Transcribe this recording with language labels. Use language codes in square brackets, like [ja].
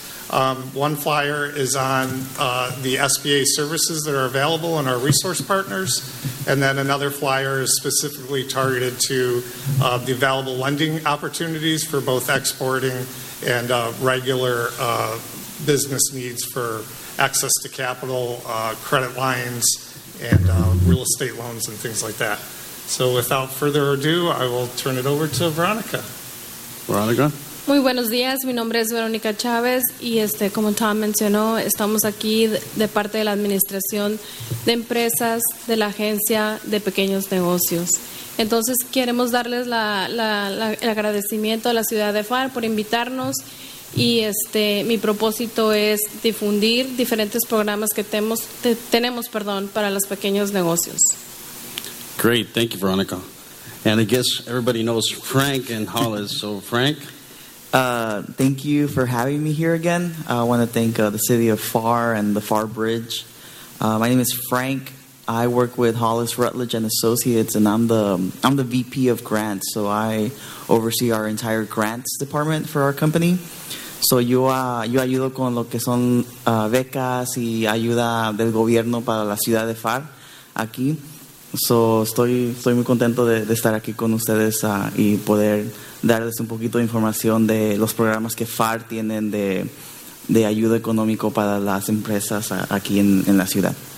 [en] One flyer is on the SBA services that are available and our resource partners, and then another flyer is specifically targeted to the available lending opportunities for both exporting and regular business needs for access to capital, credit lines, and real estate loans and things like that. So without further ado, I will turn it over to Veronica. Veronica. [es] Muy buenos días, mi nombre es Verónica Chávez y como Tom mencionó, estamos aquí de parte de la Administración de Empresas de la Agencia de Pequeños Negocios. Entonces, queremos darles el agradecimiento a la ciudad de FAR por invitarnos y mi propósito es difundir diferentes programas que tenemos para los pequeños negocios. [en] Great, thank you, Veronica. And I guess everybody knows Frank and Hollis, so Frank... Thank you for having me here again. I want to thank the city of FAR and the FAR Bridge. My name is Frank. I work with Hollis Rutledge and Associates, and I'm the VP of Grants. So I oversee our entire grants department for our company. [es] So yo ayudo con lo que son becas y ayuda del gobierno para la ciudad de FAR aquí. So estoy muy contento de estar aquí con ustedes y poder darles un poquito de información de los programas que FAR tienen de ayuda económico para las empresas aquí en la ciudad.